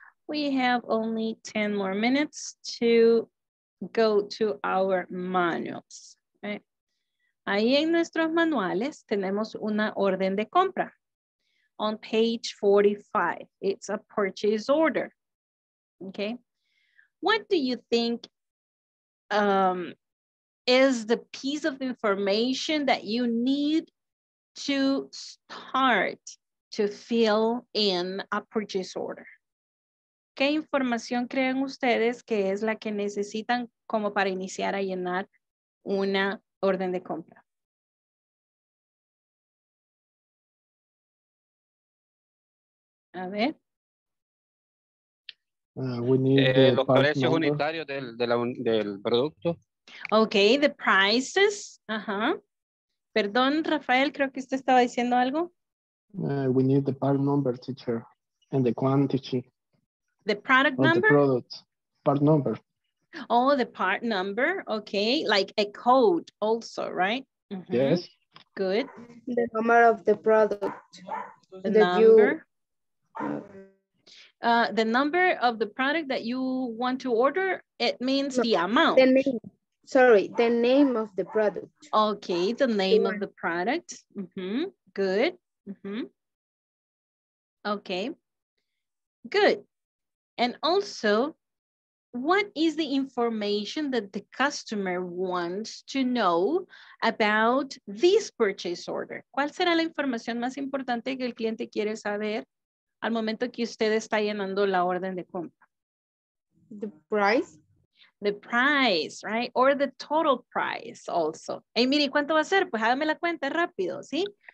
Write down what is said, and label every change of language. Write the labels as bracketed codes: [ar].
[en] We have only 10 more minutes to go to our manuals. Okay. [es] Ahí en nuestros manuales tenemos una orden de compra. [en] On page 45, it's a purchase order. Okay. What do you think is the piece of information that you need to start to fill in a purchase order. [es] ¿Qué información creen ustedes que es la que necesitan como para iniciar a llenar una orden de compra? A ver. [en] We need [es] los precios unitarios del producto. [en] Okay, the prices. [es] Perdón, Rafael, creo que usted estaba diciendo algo. [en] We need the part number, teacher, and the quantity. The product number? The product, part number. Oh, the part number, okay. Like a code also, right? Mm-hmm. Yes. Good. The number of the product. The number. The number of the product that you want to order, it means the amount. The name of the product. Okay, the name of the product. Mm-hmm. Good. Mm-hmm. Okay, good. And also, what is the information that the customer wants to know about this purchase order? [es] ¿Cuál será la información más importante que el cliente quiere saber al momento que usted está llenando la orden de compra? [en] The price. The price, right? Or the total price also. Hey, [es] mire, ¿cuánto va a ser? Pues hágame la cuenta rápido, ¿sí?